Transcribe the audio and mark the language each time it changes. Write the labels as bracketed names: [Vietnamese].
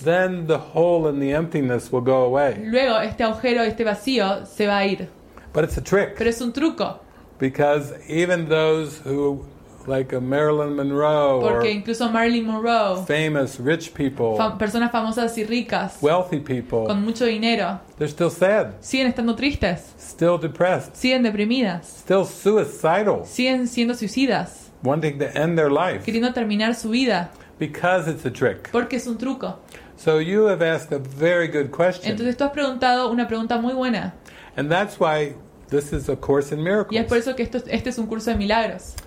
[English] then the hole and the emptiness will go away. [Spanish] Luego este agujero, este vacío, se va a ir. [English] But it's a trick. [Spanish] Pero es un truco. [English] Because even those who... Like a Marilyn Monroe. [Spanish] Porque incluso Marilyn Monroe. [English] Famous rich people. [Spanish] Personas famosas y ricas. [English] Wealthy people. [Spanish] Con mucho dinero. [English] They're still sad. [Spanish] Siguen estando tristes. [English] Still depressed. [Spanish] Siguen deprimidas. [English] Still suicidal. [Spanish] Siguen siendo suicidas. [English] Wanting to end their life. [Spanish] Queriendo terminar su vida. [English] Because it's a trick. [Spanish] Porque es un truco. [English] So you have asked a very good question. [Spanish] Entonces tú has preguntado una pregunta muy buena. [English] And that's why this is a course in miracles. [Spanish] Y es por eso que este es un curso de milagros.